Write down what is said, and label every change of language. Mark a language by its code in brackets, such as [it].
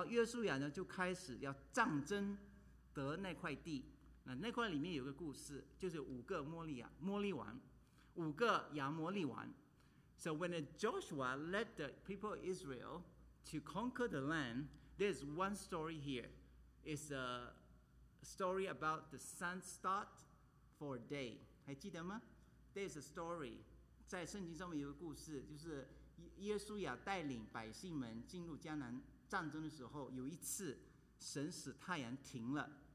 [zh] 后来经过40年在旷野当中的漂流，后来在约书亚的带领下就进入了吧，进入迦南地。然后约书亚呢就开始要战争。得那块地，那块里面有个故事，就是五个摩利王，五个亚摩利王。 [en] So when Joshua led the people of Israel to conquer the land, there's one story here. It's a story about the sun start for a day. [zh] 还记得吗？ [en] There's a story. [zh] 在圣经上面有个故事，就是耶稣亚带领百姓们进入迦南战争的时候，有一次神使太阳停了。